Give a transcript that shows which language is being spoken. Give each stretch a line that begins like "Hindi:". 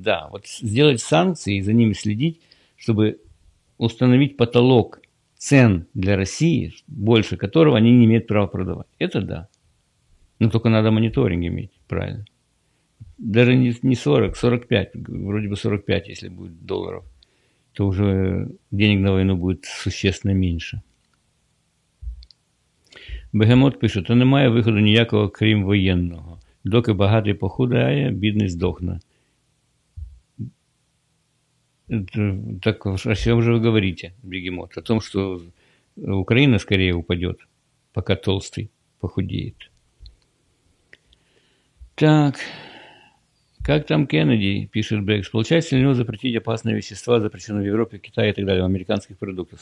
Russian: Да, вот сделать санкции и за ними следить, чтобы установить потолок цен для России, больше которого они не имеют права продавать. Это да. Но только надо мониторинг иметь, правильно. Даже не 40, 45, вроде бы 45, если будет долларов, то уже денег на войну будет существенно меньше.
Ukrainian: Бегемот пишет, то немає виходу ніякого, крім воєнного. Доки багатий похудає, бідний здохне.
Russian: Так о чем же вы говорите, Бегемот? О том, что Украина скорее упадет, пока толстый похудеет. Так, как там Кеннеди, пишет Брекс, получается ли у него запретить опасные вещества, запрещенные в Европе, Китае и так далее, в американских продуктах?